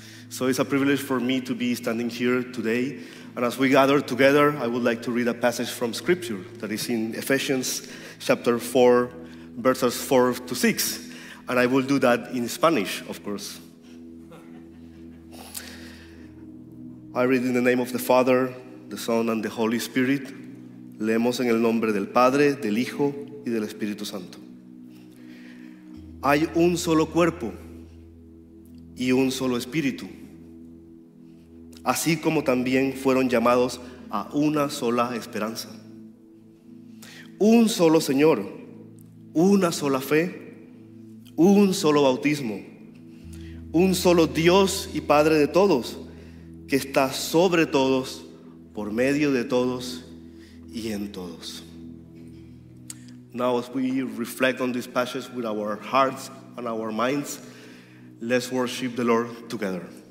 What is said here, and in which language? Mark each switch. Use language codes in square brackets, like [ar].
[en] So it's a privilege for me to be standing here today. And as we gather together, I would like to read a passage from Scripture that is in Ephesians chapter 4, verses 4 to 6. And I will do that in Spanish, of course. I read in the name of the Father, the Son, and the Holy Spirit. [es] Leemos en el nombre del Padre, del Hijo, y del Espíritu Santo. Hay un solo cuerpo y un solo espíritu, así como también fueron llamados a una sola esperanza. Un solo Señor, una sola fe, un solo bautismo, un solo Dios y Padre de todos, que está sobre todos, por medio de todos y en todos. [en] Now as we reflect on these passages with our hearts and our minds, let's worship the Lord together.